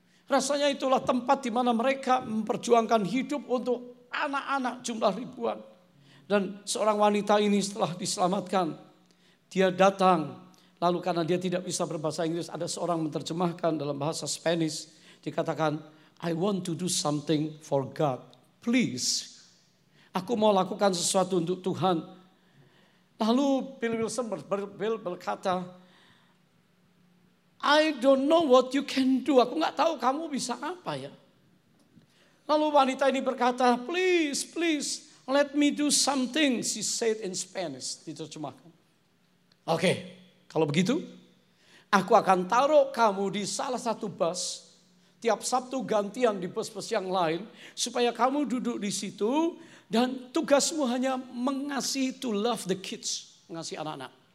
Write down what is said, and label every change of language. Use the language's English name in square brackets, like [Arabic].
[Indonesian] Rasanya itulah tempat di mana mereka memperjuangkan hidup untuk anak-anak jumlah ribuan. Dan seorang wanita ini setelah diselamatkan, dia datang. Lalu karena dia tidak bisa berbahasa Inggris, ada seorang menerjemahkan dalam bahasa Spanish. [English] Dikatakan, "I want to do something for God, please." [Indonesian] Aku mau lakukan sesuatu untuk Tuhan. [English] Lalu Bill Wilson berkata, "I don't know what you can do." [Indonesian] Aku gak tahu kamu bisa apa ya. [English] Lalu wanita ini berkata, "Please, please, let me do something," she said in Spanish, diterjemahkan. [Indonesian] "Oke, kalau begitu, aku akan taruh kamu di salah satu bus, tiap Sabtu gantian di bus-bus yang lain, supaya kamu duduk di situ, dan tugasmu hanya mengasihi, to love the kids," mengasihi anak-anak.